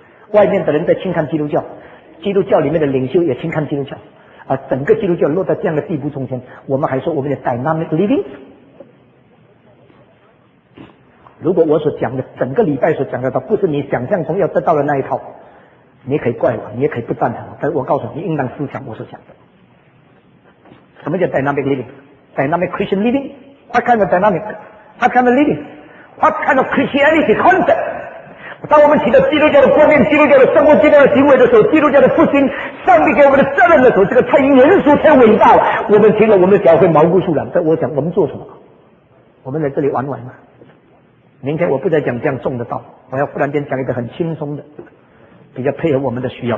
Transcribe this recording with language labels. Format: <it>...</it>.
<zh>外面的人在轻看基督教，基督教里面的领袖也轻看基督教，而整个基督教落在这样的地步中间，我们还说我们的</zh> <en>dynamic living。</en> <zh>如果我所讲的整个礼拜所讲的都不是你想象中要得到的那一套，你也可以怪我，你也可以不赞成，但我告诉你，应当思想我所讲的。什么叫</zh> <en>dynamic living? Dynamic Christian living? What kind of dynamic? What kind of living? What kind of Christianity concept?</en> <zh>当我们提到基督教的观念、基督教的生活、基督教的行为的时候，基督教的复兴、上帝给我们的责任的时候，这个太严肃太伟大了，我们听了我们脚会毛骨悚然。但我想我们做什么？我们在这里玩玩吗？明天我不再讲这样重的道，我要忽然间讲一个很轻松的，比较配合我们的需要。</zh>